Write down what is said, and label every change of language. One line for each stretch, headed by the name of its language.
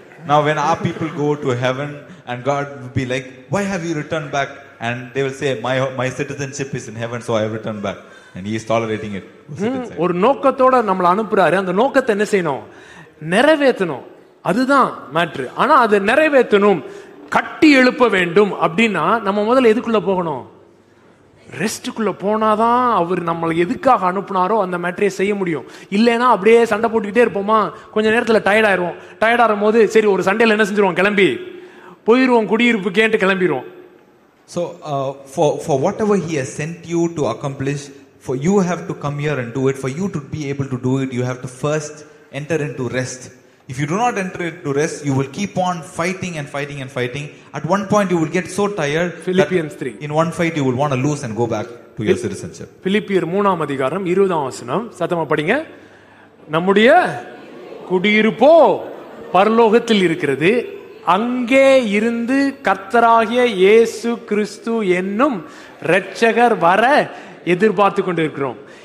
English: Now when our people go to heaven and God will be like, why have you returned back? And they will say, my citizenship is in heaven, so I have returned back. And he is tolerating it.
Tamil: ஒரு நோக்கத்தோட நம்மளை அனுப்புறாரு, அந்த நோக்கத்தை என்ன செய்யணும், நிறைவேற்றணும், அதுதான் மேட்ரு. ஆனா அதை நிறைவேற்றணும், கட்டி எழுப்ப வேண்டும் அப்படின்னா நம்ம முதல்ல எதுக்குள்ள போகணும், ரெஸ்டுக்குள்ள போனாதான் அவர் நம்மளை எதுக்காக அனுப்புனாரோ அந்த மேட்டரியை செய்ய முடியும். இல்லைன்னா அப்படியே சண்டை போட்டுக்கிட்டே இருப்போமா, கொஞ்ச நேரத்தில் டயர்டாயிரும். டயர்டாகும் போது சரி ஒரு சண்டையில் என்ன செஞ்சிருவோம், கிளம்பி போயிருவோம் குடியிருப்பு கேட்டு கிளம்பிடுவோம்.
English: So for whatever he has sent you to accomplish, for you have to come here and do it. For you to be able to do it, you have to first enter into rest. If you do not enter into rest, you will keep on fighting and fighting and fighting. At one point you will get so tired. Philippians 3. In one fight you will want to lose and go back to your citizenship.
Tamil: Philippians 3 அதிகாரம் 20 வசனம் சத்தமா படிங்க. நம்முடைய குடியிருப்போ பரலோகத்தில் இருக்கிறது, அங்கே இருந்து கர்த்தராகிய இயேசு கிறிஸ்து என்னும் இரட்சகர் வர எதிர்பார்த்து கொண்டிருக்கிறோம்.